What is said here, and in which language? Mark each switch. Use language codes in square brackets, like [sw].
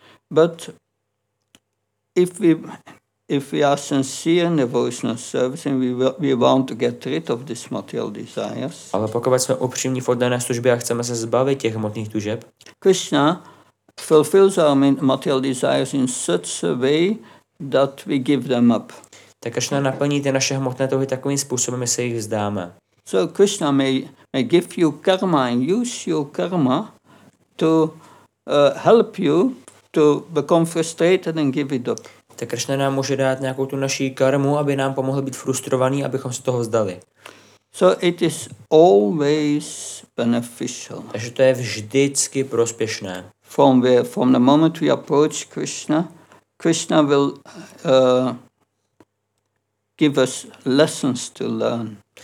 [en] But if we are sincere in devotional service, and we want to get rid of these material desires. [cs] Ale pokud jsme upřímní v oddané službě a chceme se zbavit těch hmotných tužeb. [en] Krishna fulfills our material desires in such a way that we give them up. [cs] Tak Krishna naplní ty naše hmotné touhy takovým způsobem, že se jich vzdáme. [en] So Krishna may give you karma and use your karma to help you to become frustrated and give it up. [cs] Tak Krishna nám může dát nějakou tu naší karmu, aby nám pomohl být frustrovaný, abychom se toho vzdali. [en] So it is always beneficial. [cs] Takže to je vždycky prospěšné. [en] From the moment we approach Krishna, Krishna will give us lessons to learn.